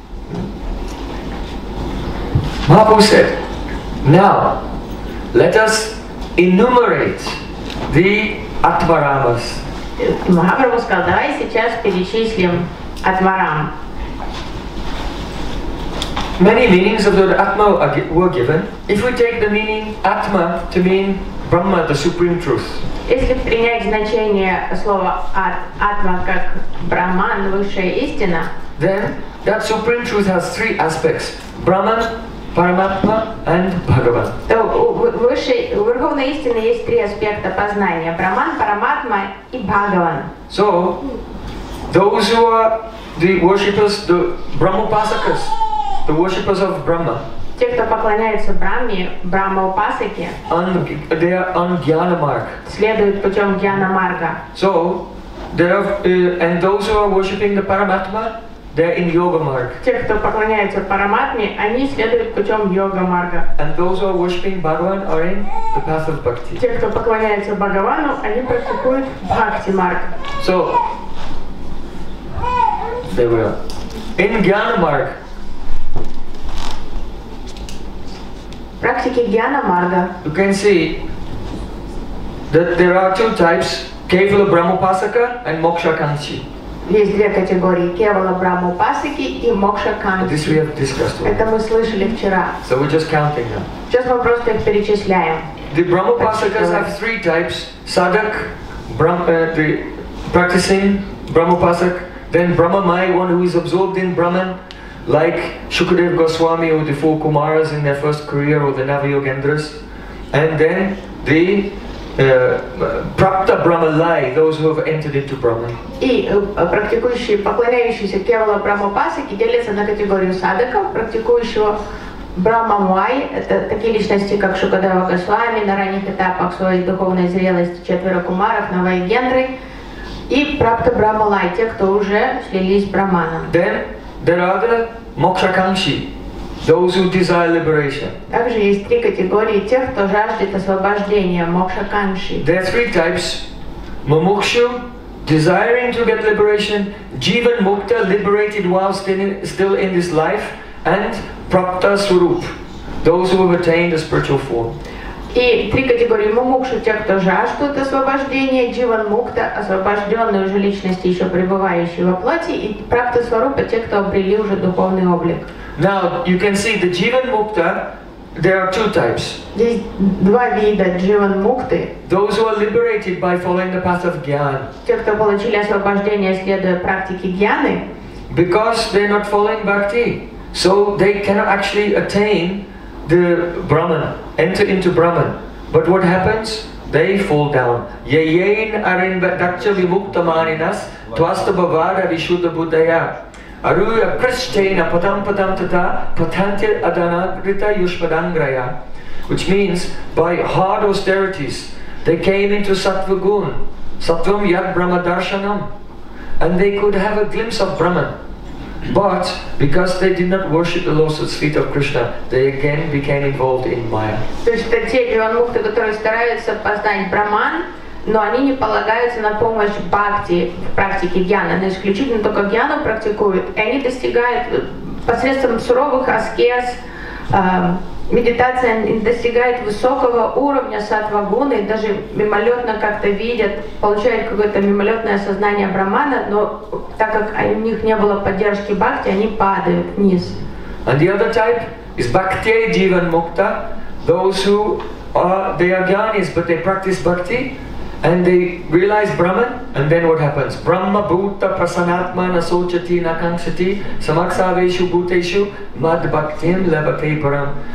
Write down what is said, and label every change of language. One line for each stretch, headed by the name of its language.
English: Mahaprabhu said, now, let us enumerate the Атмарамас.
Russian: Махапрабху сказал, давай сейчас перечислим Атмарам.
English: Many meanings of the word Atma were given. If we take the meaning Atma to mean Brahma, the Supreme Truth.
Russian: Если принять значение слова Атма как Брахман, высшая истина.
English: Then, that Supreme Truth has three aspects. Brahman, Параматма and Бхагаван.
Russian: То у Верховной Истины есть три аспекта познания. Брахман, Параматма и Бхагаван.
English: So, those who are the worshippers, the Брахмопасакас, the worshippers of Brahma.
Russian: Те, кто поклоняются Брахме, Брахмопасаки,
English: they are on Гьянамарг.
Russian: Следуют путем Гьянамарга.
English: So, and those who are worshipping the Параматма, they're in Yoga Marg.
Russian: Те, кто поклоняется Параматме, они следуют путем Йога Марга.
English: And those who are worshipping Bhagavan are in the path of Bhakti.
Russian: Те, кто поклоняется Бхагавану, они практикуют Бхакти Марг.
English: So, they will. In Gyan Marg.
Russian: Практики Гьяна Марга.
English: You can see that there are two types: Kevala Brahmopasaka and Moksha Kanchi.
Russian: Есть две категории: Кевала Брахмопасаки и Мокша Канки. Это мы слышали вчера.
English: So we're just counting them.
Russian: Сейчас мы просто их перечисляем.
English: The Brahmopasakas have three types: Sadak, the practicing Brahmopasak, then Brahmamai, one who is absorbed in Brahman, like Shukadev Goswami or the four Kumaras in their first career or the Naviyogendras, and then the Prapta Brahmalai, those who have entered into Brahman.
Russian: И практикующие, поклоняющиеся Кевала Брахмопасаки делятся на категорию садаков, практикующего Брахмамай, это такие личности, как Шукадева Госвами на ранних этапах своей духовной зрелости, четверо кумаров, Навайгендры, и Прапта Брахмалай, те, кто уже слились с Брахманом.
English: Then there are the Мокшаканши, those who desire liberation.
Russian: Также есть три категории тех, кто жаждет освобождения, мокша канши.
English: There are three types: mumukshu, desiring to get liberation; jivan mukta, liberated while still in this life; and prapta swarup, those who have attained a spiritual form.
Russian: И три категории: мумукшу, те, кто жаждут освобождения; дживан мукта, освобожденные уже личности, еще пребывающие во плоти; и прапта сварупа, те, кто обрели уже духовный облик.
English: Now you can see the jivan mukta. There are two types.
Russian: Есть два вида дживан мукты.
English: Those who are liberated by following the path of gyan.
Russian: Те, кто получили освобождение, следуя практике гьяны.
English: Because they're not following bhakti, so they cannot actually attain the Brahman, enter into Brahman. But what happens? They fall down.
Sanskrit: Yayain arin dakcha vimukta maninas tvasta bhavara vishuddha buddhaya aruya krishtena patam patam tata patantya adanagrita yushpadangraya.
English: Which means, by hard austerities, they came into sattva gun,
Sanskrit: sattvam yad brahma darshanam,
English: and they could have a glimpse of Brahman. But because they did not worship the lotus feet of Krishna, they again became involved in Maya.
Russian: То есть это те дживанмукты, которые стараются познать Брахман, но они не полагаются на помощь бхакти в практике гьяны. Они исключительно только гьяну практикуют, и они достигают посредством суровых аскез, медитации, они достигают высокого уровня сатвагуны, даже мимолетно как-то видят, получают какое-то мимолетное сознание Брахмана, но так как у них не было поддержки бхакти, они падают вниз.
English: And the other type is bhakti jivan mukta, those who are, they are gyanis, but they practice bhakti, And they realize Brahman, and then what happens?
Sanskrit: Brahma bhuta prasanatma na sochati na kanksati samaksaveshu bhuteshu mad bhaktim labhate param.